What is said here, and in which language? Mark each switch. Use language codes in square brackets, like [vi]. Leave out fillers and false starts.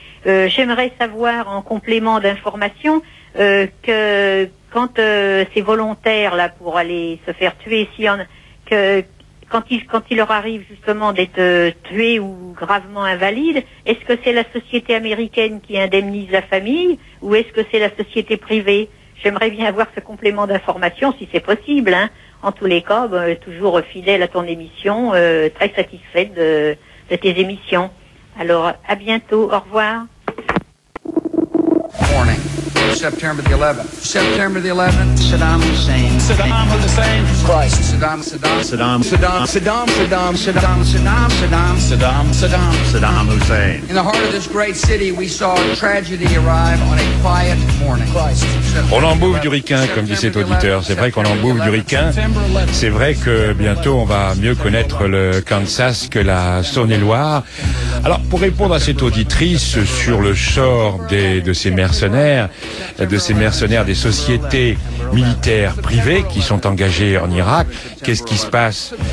[fr] J'aimerais savoir en complément d'information que quand ces volontaires là pour aller se faire tuer, quand il leur arrive justement d'être tués ou gravement invalides, est-ce que c'est la société américaine qui indemnise la famille ou est-ce que c'est la société privée? J'aimerais bien avoir ce complément d'information si c'est possible, hein. En tous les cas, toujours fidèle à ton émission, très satisfaite de tes émissions. Alors, à bientôt, au revoir. [en] Morning. September the 11th, Saddam Hussein. Christ. Saddam Hussein. In the heart of this great city, we saw tragedy arrive on a quiet morning. Christ. [fr] On en bouffe du ricain, comme dit cet auditeur. C'est vrai qu'on en bouffe du ricain. C'est vrai que bientôt, on va mieux connaître le Kansas que la Saône-et-Loire. Alors, pour répondre à cette auditrice sur le sort de ces mercenaires des sociétés militaires privées qui sont engagées en Irak, qu'est-ce qui se passe?